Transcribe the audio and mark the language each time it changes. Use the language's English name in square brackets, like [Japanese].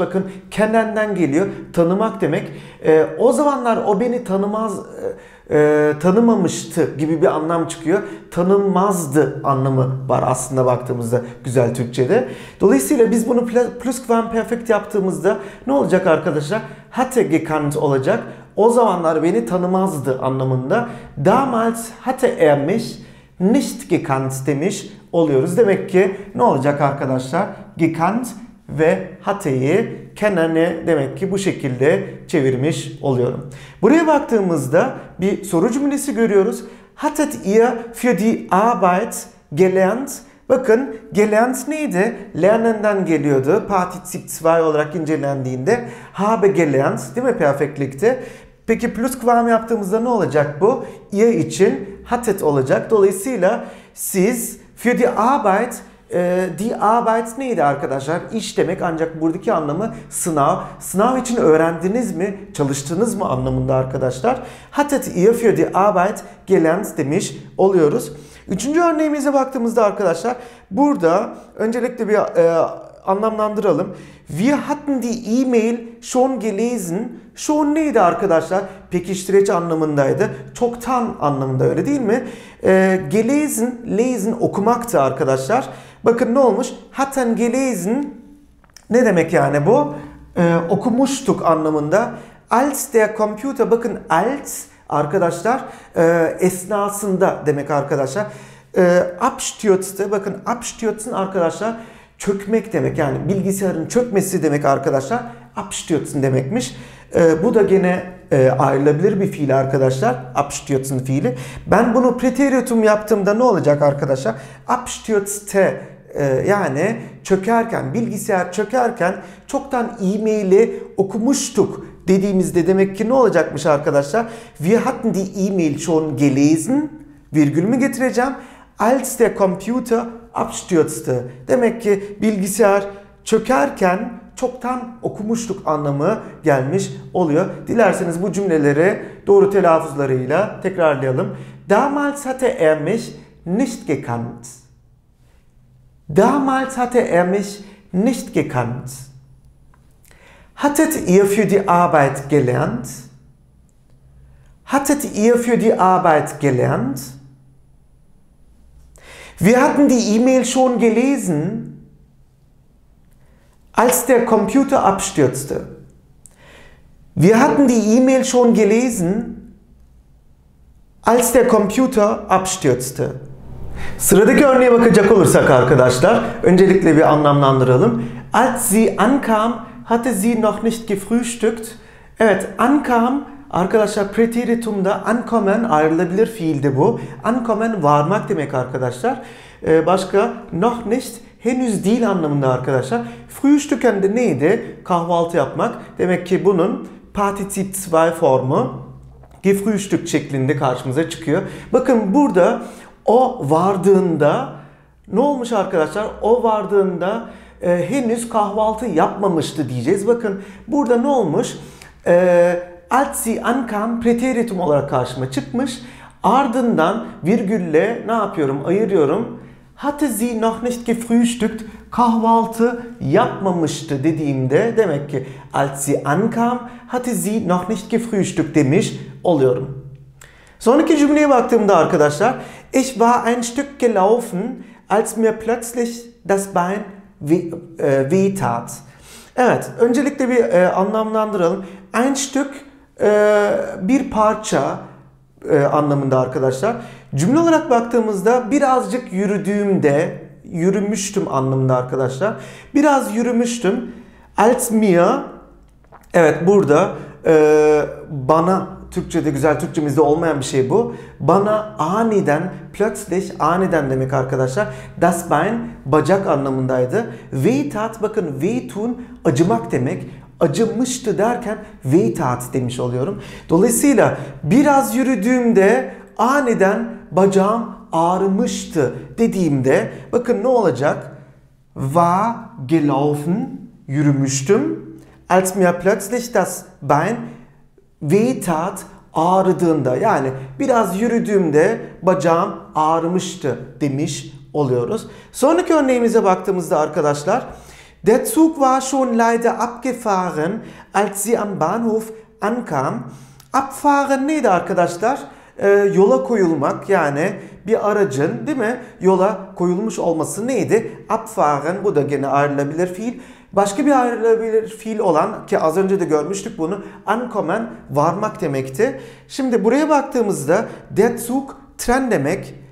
[Turkish] Bakın, kendinden geliyor. Tanımak demek. O zamanlar o beni tanımaz, tanımamıştı gibi bir anlam çıkıyor. Tanımazdı anlamı var aslında baktığımızda güzel Türkçe'de. Dolayısıyla biz bunu plusquamperfect yaptığımızda ne olacak arkadaşlar? [German] Hatte gekannt [Turkish] olacak. O zamanlar beni tanımazdı anlamında. [German] Damals hatte er mich nicht gekannt [Turkish] demiş oluyoruz. Demek ki ne olacak arkadaşlar? Gekannt ve hatte'yi kennen'e demek ki bu şekilde çevirmiş oluyorum. Buraya baktığımızda bir soru cümlesi görüyoruz. [German] Hattet ihr für die Arbeit gelernt? [Turkish] Bakın, gelernt neydi? Lernen'den geliyordu. Partizip 2 olarak incelendiğinde. [German] Habe gelernt, [Turkish] değil mi? Perfektlikte. Peki plusquam yaptığımızda ne olacak bu? Ihr için hattet olacak. Dolayısıyla siz [German] für die Arbeit, die Arbeit [Turkish] neydi arkadaşlar? İş demek, ancak buradaki anlamı sınav. Sınav için öğrendiniz mi, çalıştınız mı anlamında arkadaşlar. [German] Hattet ihr für die Arbeit gelernt [Turkish] demiş oluyoruz. Üçüncü örneğimize baktığımızda arkadaşlar, burada öncelikle bir anlamlandıralım. [German] Wir hatten die E-Mail schon gelesen. [Turkish] Schon neydi arkadaşlar? Pekiştireç anlamındaydı. Çoktan anlamında, öyle değil mi? Gelesen, lesen okumaktı arkadaşlar. Bakın ne olmuş? [German] Hatten gelesen [Turkish] ne demek yani bu? Okumuştuk anlamında. [German] Als der Computer, [Turkish] bakın als arkadaşlar esnasında demek arkadaşlar. Abstürzte, bakın abstürzen arkadaşlar çökmek demek. Yani bilgisayarın çökmesi demek arkadaşlar. Abstürzen demekmiş. Bu da gene ayrılabilir bir fiil arkadaşlar. Abstürzen fiili. Ben bunu preteritum yaptığımda ne olacak arkadaşlar? Abstürzte, yani çökerken, bilgisayar çökerken çoktan e-maili okumuştuk dediğimizde demek ki ne olacakmış arkadaşlar? [German] Wir hatten die E-Mail schon gelesen. [Turkish] Virgül mü getireceğim? [German] Als der Computer abstürzte. [Turkish] Demek ki bilgisayar çökerken çoktan okumuştuk anlamı gelmiş oluyor. Dilerseniz bu cümleleri doğru telaffuzlarıyla tekrarlayalım. [German] Damals hatte er mich nicht gekannt. Damals hatte er mich nicht gekannt. Hattet ihr für die Arbeit gelernt? Hattet ihr für die Arbeit gelernt? Wir hatten die E-Mail schon gelesen, als der Computer abstürzte. Wir hatten die E-Mail schon gelesen, als der Computer abstürzte. [Turkish] Sıradaki örneğe bakacak olursak arkadaşlar, öncelikle bir anlamlandıralım. [German] Als sie ankam, hatte sie noch nicht gefrühstückt. [Turkish] Evet, ankam arkadaşlar, preteritumda ankommen ayrılabilir fiildi bu. Ankommen varmak demek arkadaşlar. Başka [German] noch nicht, [Turkish] henüz değil anlamında arkadaşlar. Frühstücken de neydi? Kahvaltı yapmak. Demek ki bunun Partizip 2 formu gefrühstückt şeklinde karşımıza çıkıyor. Bakın burada o vardığında ne olmuş arkadaşlar? O vardığında henüz kahvaltı yapmamıştı diyeceğiz. Bakın burada ne olmuş? [German] Als sie ankam [Turkish] preteritum olarak karşıma çıkmış. Ardından virgülle ne yapıyorum? Ayırıyorum. [German] Hatte sie noch nicht gefrühstückt, [Turkish] kahvaltı yapmamıştı dediğimde demek ki [German] als sie ankam hatte sie noch nicht gefrühstückt [Turkish] demiş oluyorum. Sonraki cümleye baktığımda arkadaşlar, [German] ich war ein Stück gelaufen, als mir plötzlich das Bein weh tat. [Turkish] Evet, öncelikle bir anlamlandıralım. [German] Ein Stück, [Turkish] bir parça anlamında arkadaşlar. Cümle olarak baktığımızda birazcık yürüdüğümde, yürümüştüm anlamında arkadaşlar. Biraz yürümüştüm. [German] Als mir, [Turkish] evet burada bana, Türkçe'de güzel Türkçemizde olmayan bir şey bu. Bana aniden, plötzlich aniden demek arkadaşlar. [German] Das Bein [Turkish] bacak anlamındaydı. Wehtat, bakın wehtun acımak demek. Acımıştı derken wehtat demiş oluyorum. Dolayısıyla biraz yürüdüğümde aniden bacağım ağrımıştı dediğimde bakın ne olacak? [German] war gelaufen, [Turkish] yürümüştüm, [German] als mir plötzlich das Bein wehtat, [Turkish] ağrıdığında, yani biraz yürüdüğümde bacağım ağrımıştı demiş oluyoruz. Sonraki örneğimize baktığımızda arkadaşlar, [German] der Zug war schon leider abgefahren, als sie am Bahnhof ankam. [Turkish] Abfahren neydi arkadaşlar? Yola koyulmak, yani bir aracın, değil mi, yola koyulmuş olması neydi? Abfahren, bu da gene ayrılabilir fiil. Başka bir ayrılabilir fiil olan, ki az önce de görmüştük bunu, ankommen, varmak demekti. Şimdi buraya baktığımızda [German] der Zug, [Turkish] tren demek.